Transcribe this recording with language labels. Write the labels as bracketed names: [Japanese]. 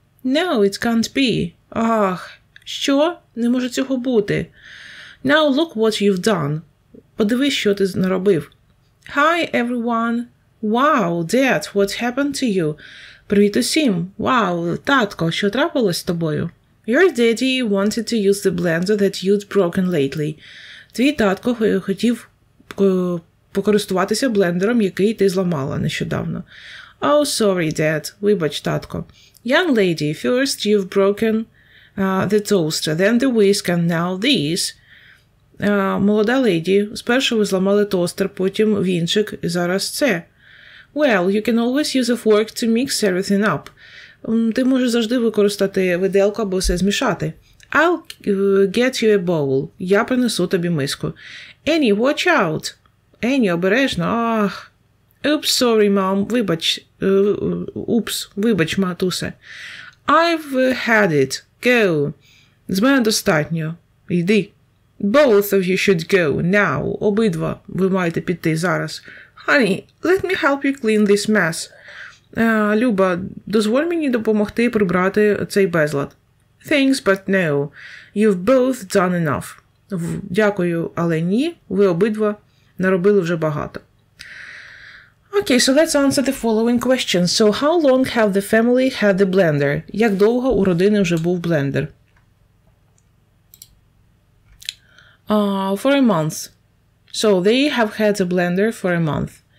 [English] No, it can't be. [Ukrainian] Ах, що? Не може цього бути. [English] Now look what you've done. [Ukrainian] Подивись, що ти наробив. [English] Hi, everyone. Wow, Dad, what happened to you? [Ukrainian] Привіт усім. Wow, татко, що трапилось з тобою? [English] Your daddy wanted to use the blender that you'd broken lately. [Ukrainian] Твій татко хотів покористуватися блендером, який ти зламала нещодавно. [English] Oh, sorry, Dad. [Ukrainian] Вибач, татко. [English] Young lady, first you've broken the toaster, then the whisk, and now this. [Ukrainian] Молода леді, спершу ви зламали тостер, потім вінчик, і зараз це. [English] Well, you can always use a fork to mix everything up. [Ukrainian] Ти можеш завжди використати виделку, аби все змішати. [English] I'll get you a bowl. [Ukrainian] Я принесу тобі миску. [English] Annie, watch out. Annie, [Ukrainian] обережно. Ах. [English] Oops, sorry, Mom. [Ukrainian] Вибач. Упс, вибач, матусе. [English] I've had it. Go. [Ukrainian] З мене достатньо. Йди. [English] Both of you should go now. [Ukrainian] Обидва ви маєте піти зараз. [English] Honey, let me help you clean this mess. [Ukrainian] Люба, дозволь мені допомогти прибрати цей безлад. [English] Thanks, but no. You've both done enough. [Ukrainian] Дякую, але ні, ви обидва наробили вже багато. [English] Okay, so let's answer the following question. So how long have the family had the blender? [Ukrainian] Як довго у родини вже був блендер? [English] For a month. So they have had a blender for a month.